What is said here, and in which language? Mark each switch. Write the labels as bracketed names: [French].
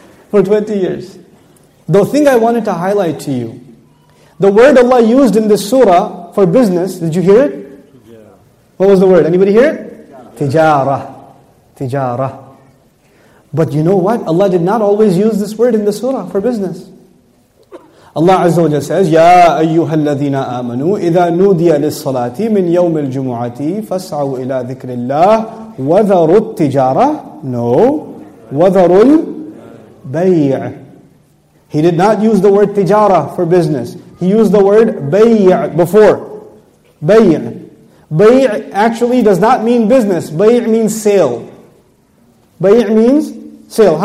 [English] For 20 years. The thing I wanted to highlight to you, the word Allah used in this surah for business, did you hear it? Tijara. What was the word? Anybody hear it? Tijara. Tijara. But you know what? Allah did not always use this word in the surah for business. Allah Azza wa Jalla says, [Arabic] يَا أَيُّهَا الَّذِينَ آمَنُوا إِذَا نُودِيَ لِلصَّلَاةِ مِنْ يَوْمِ الْجُمُعَةِ فَاسْعَوْا إِلَىٰ ذِكْرِ اللَّهِ وَذَرُوا التِّجَارَةِ No. وَذَرُوا الْبَيْعِ [English] He did not use the word tijara for business. He used the word bay' before. Bay' Bay' actually does not mean business. Bay' means sale. Bay' means sale.